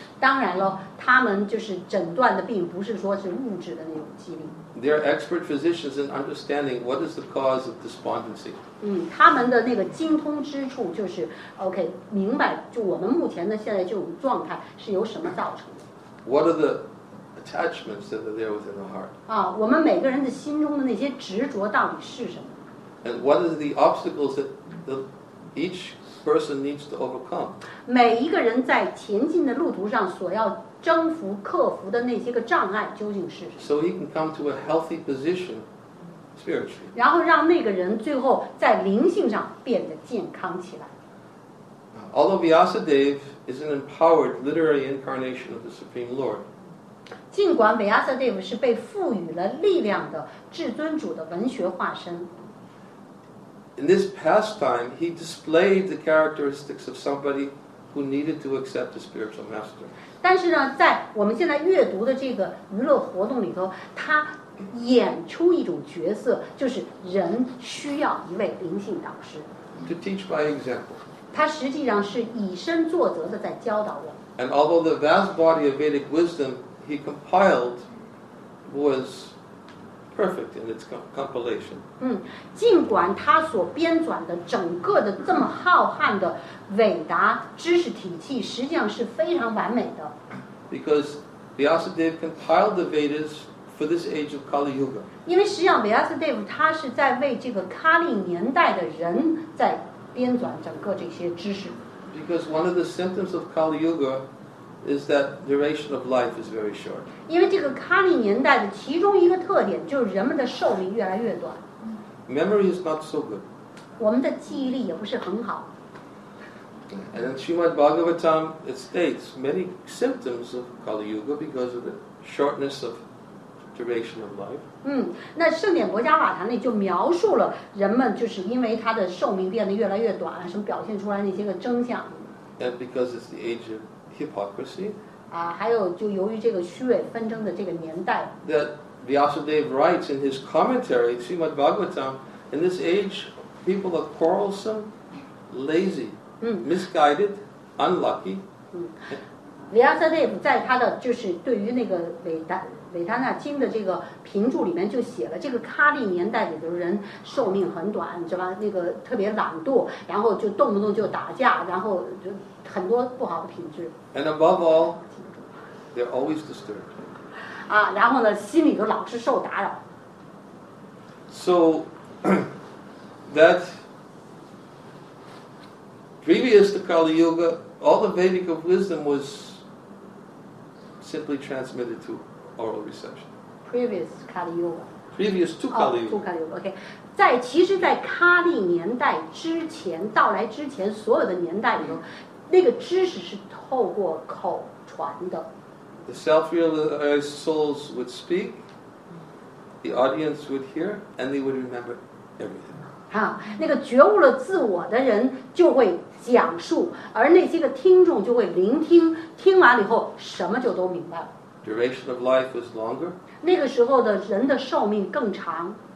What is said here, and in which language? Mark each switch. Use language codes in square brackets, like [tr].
[zh] 当然了，他们就是诊断的病不是说是物质的那种疾病。 [en] They are expert physicians in understanding what is the cause of despondency. [zh] 他们的那个精通之处就是 OK， 明白就我们目前的现在这种状态是由什么造成的。 [en] What are the attachments that are there within the heart. [zh] 我们每个人的心中的那些执着到底是什么？ [en] And what are the obstacles that each person needs to overcome? [zh] 每一个人在前进的路途上所要征服克服的那些个障碍究竟是什么。 [en] So he can come to a healthy position spiritually. [zh] 然后让那个人最后在灵性上变得健康起来。 [en] Although Vyasadeva is an empowered literary incarnation of the Supreme Lord, [zh] 尽管 Vyasadeva 是被赋予了力量的至尊主的文学化身。 [en] In this pastime, he displayed the characteristics of somebody who needed to accept a spiritual master. [zh] 但是呢，在我们现在阅读的这个娱乐活动里头，他演出一种角色，就是人需要一位灵性导师。 [en] To teach by example. [zh] 他实际上是以身作则的在教导我们。 [en] And although the vast body of Vedic wisdom he compiled was perfect in its compilation. [zh] 尽管他所编纂的整个的这么浩瀚的伟达知识体系实际上是非常完美的。 [en] Because Vyasadeva compiled the Vedas for this age of Kali Yuga. [zh] 因为实际上 Vyasadeva 他是在为这个卡利年代的人在编纂整个这些知识。 [en] Because one of the symptoms of Kali Yuga is that duration of life is very short. [zh] 因为这个卡利年代的其中一个特点就是人们的寿命越来越短。 [en] Memory is not so good. [zh] 我们的记忆力也不是很好。 [en] And in Srimad Bhagavatam, it states many symptoms of Kali Yuga because of the shortness of duration of life. [zh] 那圣典博迦瓦坛里就描述了人们就是因为他的寿命变得越来越短，什么表现出来那些个征象。 [en] And because it's the age of hypocrisy. [zh] 还有就由于这个虚伪纷争的这个年代。 [en] That Vyasadeva writes in his commentary, Srimad Bhagavatam, in this age, people are quarrelsome, lazy, misguided, unlucky. [zh] Vyasadeva 在他的就是对于那个维达那经的这个评注里面就写了，这个卡利年代里的人寿命很短，是吧？那个特别懒惰，然后就动不动就打架，然后就很多不好的品质。 [en] And above all, they're always disturbed. [zh] 然后呢，心里头老是受打扰。 [en] So that previous to Kali Yuga, all the Vedic of wisdom was simply transmitted to oral reception. Previous Kali Yuga. Previous to Kali Yuga. To Kali Yuga. Okay. [zh] 在其实，在卡利年代之前到来之前，所有的年代里头，那个知识是透过口传的。 [en] The self-realized souls would speak, the audience would hear, and they would remember everything. [zh] 那个觉悟了自我的人就会讲述，而那些个听众就会聆听，听完了以后什么就都明白了。 [en] Duration of life was longer. [zh] 那个时候的人的寿命更长。